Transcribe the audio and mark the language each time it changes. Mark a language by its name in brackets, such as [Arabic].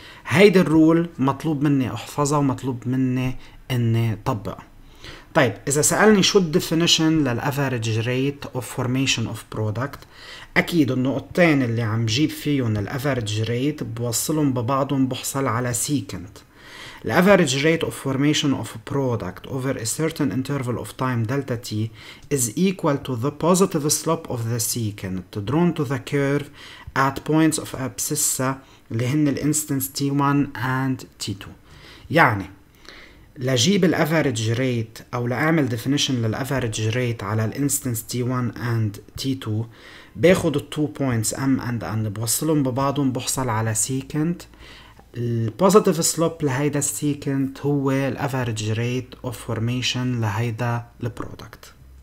[Arabic] هيدا الرول مطلوب مني احفظها ومطلوب مني اني طبقها. طيب اذا سألني شو الديفينيشن لل [English] average rate of formation of product، [Arabic] اكيد النقطتين اللي عم جيب فيهم ال average rate بوصلهم ببعضهم بحصل على secant. [English] The average rate of formation of a product over a certain interval of time delta t is equal to the positive slope of the secant drawn to the curve at points of abscissa [Arabic] اللي هن الانستنس [English] T1 and T2. [Arabic] يعني لجيب الـ average rate أو لأعمل definition للـ average rate على الانستنس T1 and T2 باخد الـ [English] two points M and N [Arabic] بوصلهم ببعضهم بحصل على secant. البوزيتيف سلوب لهيدا السيكنت هو الافرج ريت اوف فورميشن لهيدا البرودكت.